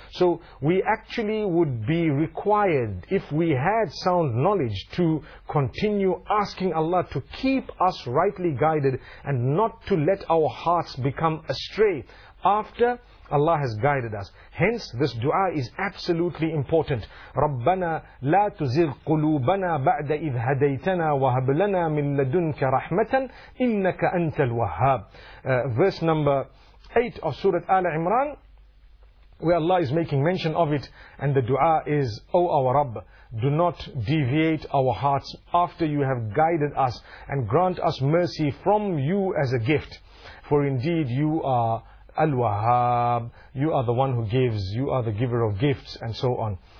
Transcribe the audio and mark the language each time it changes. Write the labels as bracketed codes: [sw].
[en] So we actually would be required, if we had sound knowledge, to continue asking Allah to keep us rightly guided, and not to let our hearts become astray after Allah has guided us. Hence, this dua is absolutely important. [ar] رَبَّنَا لَا تُزِغْ قُلُوبَنَا بَعْدَ إِذْ هَدَيْتَنَا وَهَبْ لَنَا مِنْ لَدُنْكَ رَحْمَةً إِنَّكَ أَنْتَ الْوَهَّابِ. [en] Verse number 8 of Surah Ali Imran, where Allah is making mention of it, and the dua is, O our Rabb, do not deviate our hearts after you have guided us and grant us mercy from you as a gift. For indeed you are Al-Wahhab, you are the one who gives, you are the giver of gifts, and so on.